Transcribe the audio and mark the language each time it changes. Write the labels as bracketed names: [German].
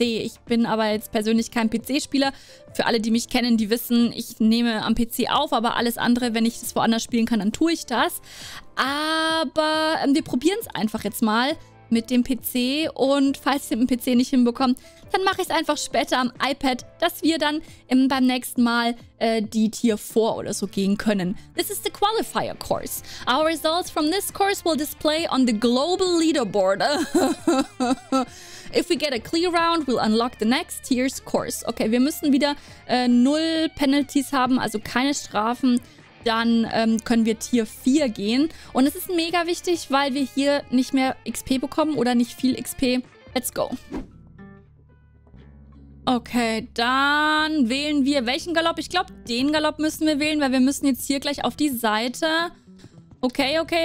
[German] Ich bin aber jetzt persönlich kein PC-Spieler. Für alle, die mich kennen, die wissen, ich nehme am PC auf, aber alles andere, wenn ich das woanders spielen kann, dann tue ich das. Aber wir probieren es einfach jetzt mal mit dem PC und falls ich es mit dem PC nicht hinbekomme, dann mache ich es einfach später am iPad, dass wir dann beim nächsten Mal die Tier 4 oder so gehen können. [English] This is the Qualifier Course. Our results from this course will display on the Global Leaderboard. If we get a clear round, we'll unlock the next tier's course. [German] Okay, wir müssen wieder null Penalties haben, also keine Strafen. Dann können wir Tier 4 gehen. Und es ist mega wichtig, weil wir hier nicht mehr XP bekommen oder nicht viel XP. [English] Let's go. [German] Okay, dann wählen wir welchen Galopp? Ich glaube, den Galopp müssen wir wählen, weil wir müssen jetzt hier gleich auf die Seite. Okay.